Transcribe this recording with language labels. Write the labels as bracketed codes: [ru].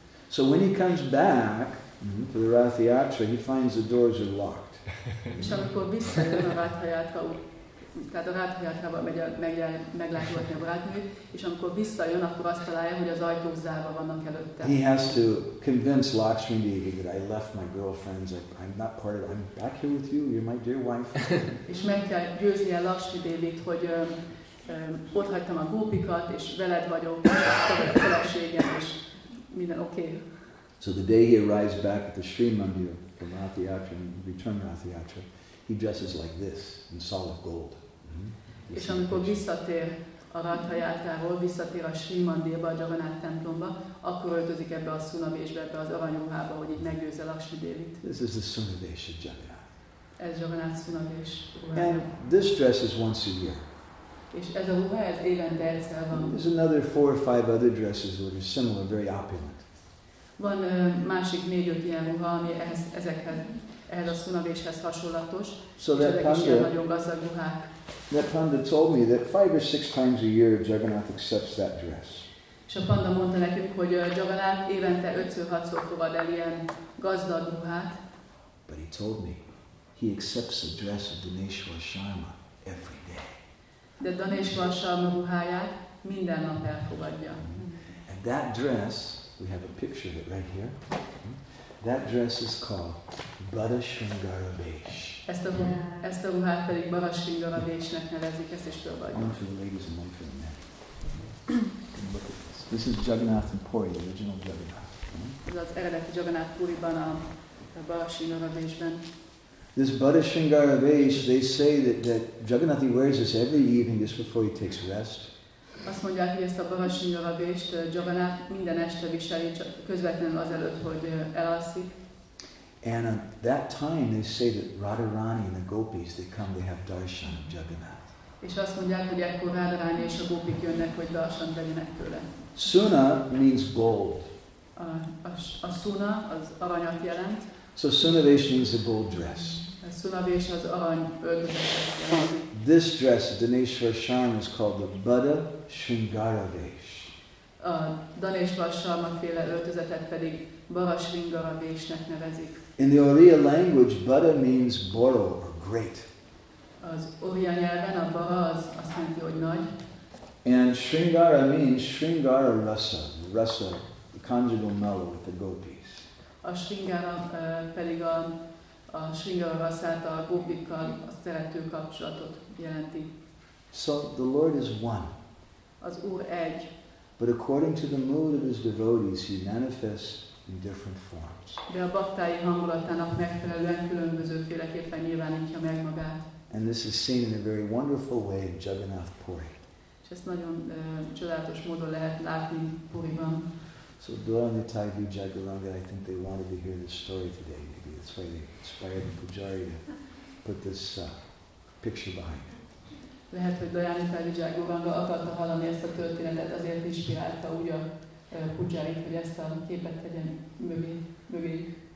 [en] So when he comes back, for the Ratha Yatra, he finds the doors are locked. [hu] És amikor visszajön a Ratha Yatra, tehát a Ratha Yatrába megy meglátogatni a barátnőt, és amikor visszajön, akkor azt találja, hogy az ajtók zárva vannak előtte. [en] He has to convince Lakshmi Devi that I left my girlfriends, I'm not part of, I'm back here with you, you're my dear wife. [hu] És meg kell győzni a Lakshmi Devit, hogy ott hagytam a gópikat, és veled vagyok, a feleségem, és minden oké. [en] Okay. So the day he arrives back at the Sri Mandir from Ratha Yatra and return Ratha Yatra, he dresses like this in solid gold. [hu] És amikor visszatér a Radha játrából visszatér a Srimandirba, a Jagannath templomba, akkor öltözik ebbe a szunavésbe, ebbe az aranyruhába, hogy így meggyőzze Lakshmi Devit. [en] This is the sunavesh of Jagannath. [hu] Ez Jagannath szunavés. [en] And this dress is once a year. [hu] És ez a ruha, ez évente egyszer van. [en] There's another four or five other dresses that are similar, very opulent. [hu] Van másik négy-öt ilyen ruha, ami ehhez, ezekhez, ehhez a szunavéshez hasonlatos, [en] so [hu] és ezek is ilyen nagyon gazdag ruhák. [en] That panda told me that five or six times a year Jagannath accepts that dress. [hu] És a panda mondta nekünk, hogy Jagannath évente 5-6-szor fogad el ilyen gazdag ruhát. [en] But he told me, he accepts the dress of Dhaneshwar Sharma every day. [hu] De Dhaneshwar Sharma ruháját minden nap elfogadja. [en] And that dress, we have a picture of it right here. That dress is called Bada Shringara Vesh. [hu] Ezt a ruhát pedig Bada Shringara Veshnek nevezik, ezt is fölvagyunk. [en] One for the ladies and one for the men. Look at this. This is Jagannath in Puri, the original Jagannath. [hu] Ez az eredeti Jagannath Puriban, a Bada Shringara Veshben. [en] This Bada Shringara Vesh, they say that Jagannath wears this every evening just before he takes rest. [hu] Azt mondják, hogy ezt a Bahasingara Vest Jagannath minden este viseli, közvetlenül azelőtt, hogy elalszik. [en] And at that time they say that Radharani and the gopis, they come, they have darshan of Jagannath. [hu] És azt mondják, hogy ekkor Radharani és a gópik jönnek, hogy darshan vegyenek tőle. [en] Suna means gold. [hu] A suna az aranyat jelent. [en] So suna vesh means a gold dress. [hu] A suna vesh az arany öltözetet jelent. [en] This dress, Dhaneshwar Sharma, is called the Bada Shringara Vesh. [hu] Dhaneshwar Sharma féle öltözetet pedig Bada Shringara Veshnek nevezik. [en] In the Oriya language, Bada means boro or great. [hu] Az Oriya nyelven a Bada az azt jelenti, hogy nagy. [en] And Shringara means Shringara Rasa, Rasa, the conjugal mellow with the gopis. [hu] A Shringara pedig a Shringara Rasát a gopikkal a szerető kapcsolatot. [en] So the Lord is one. [hu] Az Úr egy. [en] But according to the mood of his devotees, he manifests in different forms. [hu] De a baktái hangulatának megfelelően különbözőféleképpen nyilvánítja meg magát. [en] And this is seen in a very wonderful way in Jagannath Puri. [hu] És ezt nagyon csodálatos módon lehet látni Puriban. [en] So Dora Nitai Vijayagaranga, I think they wanted to hear this story today. Maybe that's why they inspired the Pujari to put this picture behind it. [hu] Lehet, hogy Dajani Felvizsák Govanga akarta hallani ezt a történetet, azért inspirálta úgy a Pujjarit, hogy ezt a képet tegyen mögé.